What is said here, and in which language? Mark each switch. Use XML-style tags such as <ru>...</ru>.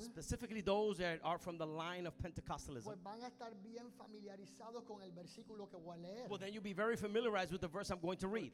<en>specifically those that are from the line of Pentecostalism,</en> <es>pues van a estar bien familiarizados con el versículo que voy a leer.</es> <en>Well, then you'll be very familiarized with the verse I'm going to read.</en>